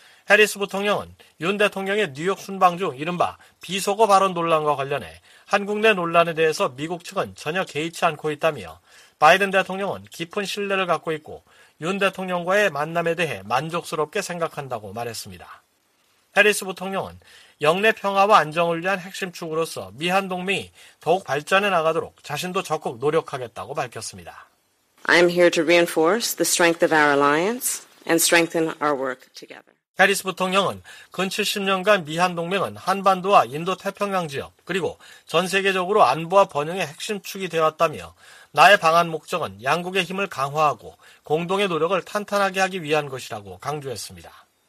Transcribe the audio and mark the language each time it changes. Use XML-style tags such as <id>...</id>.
<ko>해리스 부통령은 윤 대통령의 뉴욕 순방 중 이른바 비속어 발언 논란과 관련해 한국 내 논란에 대해서 미국 측은 전혀 개의치 않고 있다며 바이든 대통령은 깊은 신뢰를 갖고 있고 윤 대통령과의 만남에 대해 만족스럽게 생각한다고 말했습니다. 해리스 부통령은 영내 평화와 안정을 위한 핵심 축으로서 미한 동맹이 더욱 발전해 나가도록 자신도 적극 노력하겠다고 밝혔습니다.</ko> <en>I am here to reinforce the strength of our alliance and strengthen our work together.</en> <ko>해리스 부통령은 근 70년간 미한 동맹은 한반도와 인도태평양 지역 그리고 전 세계적으로 안보와 번영의 핵심 축이 되었다며 나의 방한 목적은 양국의 힘을 강화하고 공동의 노력을 탄탄하게 하기 위한 것이라고 강조했습니다.</ko>